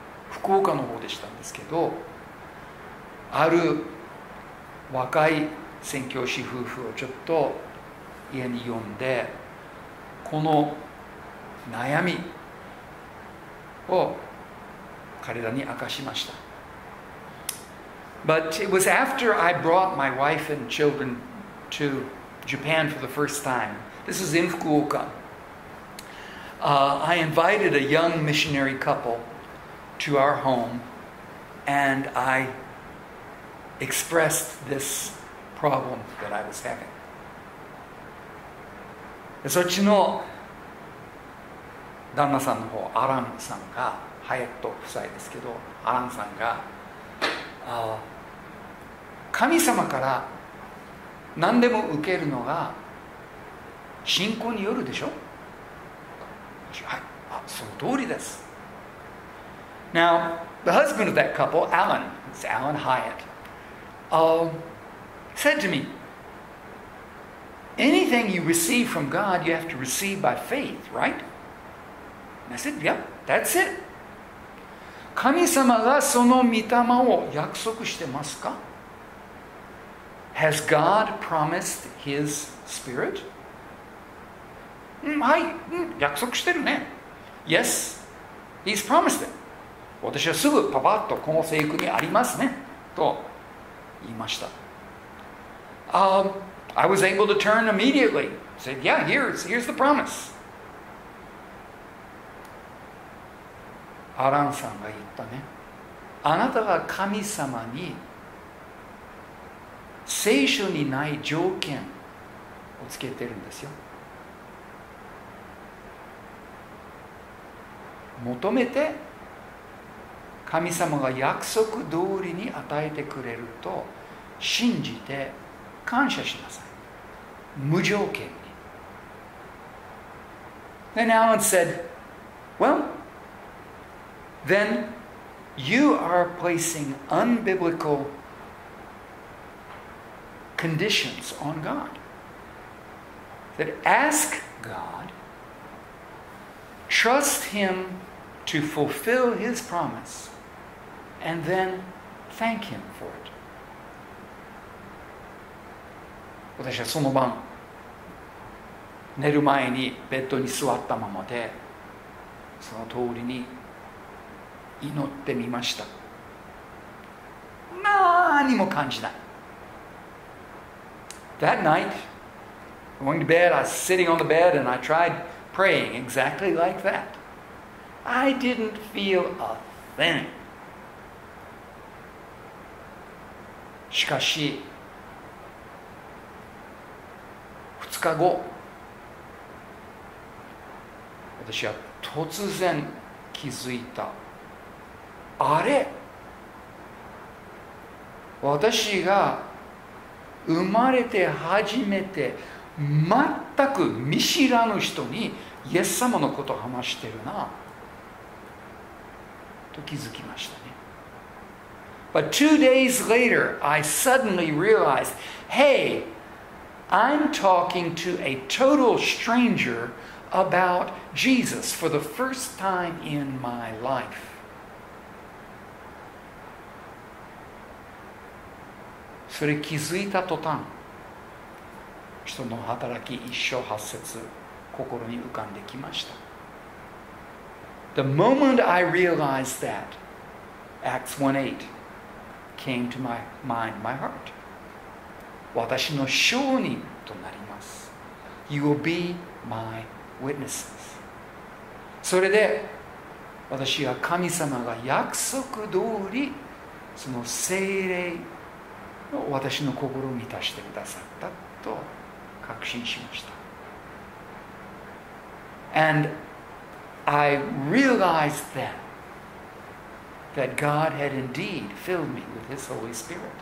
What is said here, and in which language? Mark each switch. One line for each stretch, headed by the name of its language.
Japanese: 福岡の方でしたんですけど、ある若い宣教師夫婦をちょっと家に呼んで、この悩みを彼らに明かしました。
English: But it was after I brought my wife and children to Japan for the first time. This is in Fukuoka. I invited a young missionary couple to our home, and I expressed this problem that I was having.
Japanese: そっちの旦那さんの方、アランさんが、ハヤット夫妻ですけど、アランさんが、神様から何でも受けるのが信仰によるでしょ？はい、あ、その通りです。
English: Now, the husband of that couple, Alan, it's Alan Hyatt, said to me,Anything you receive from God, you have to receive by faith, right? And I said, yep, that's it.
Japanese: 神様がその御霊を約束してますか?
English: Has God promised His Spirit?
Japanese: はい、約束してるね。
English: Yes, He's promised it.
Japanese: 私はすぐパパッとこの聖句にありますね、と言いました。
English: I was able to turn immediately. Said, yeah, here's the promise.
Japanese: アランさんが言ったね。あなたが神様に聖書にない条件をつけてるんですよ。求めて神様が約束通りに与えてくれると信じて感謝しなさい。無条件に。
English: Then Alan said, Well, then you are placing unbiblical conditions on God. That ask God, trust Him to fulfill His promise, and then thank Him for it.
Japanese: 私はその晩寝る前にベッドに座ったままでその通りに祈ってみました。何も感じない。
English: That night going to bed, I was sitting on the bed and I tried praying exactly like that. I didn't feel a thing.
Japanese: しかし2日後私は突然気づいた。あれ、私が生まれて初めて全く見知らぬ人にイエス様のことを話してるなと気づきましたね。
English: But 2 days later I suddenly realized, Hey, I'm talking to a total strangerAbout Jesus for the first time in my life.
Japanese: それ気づいた途端、人の働き一章八節、心に浮かんできました。
English: The moment I realized that, Acts 1:8 came to my mind, my heart.
Japanese: 私の証人となります。
English: You will be my witness. Witnesses.
Japanese: それで私は神様が約束通りその聖霊の私の心を満たしてくださったと確信しました。
English: And I realized then that God had indeed filled me with His Holy Spirit.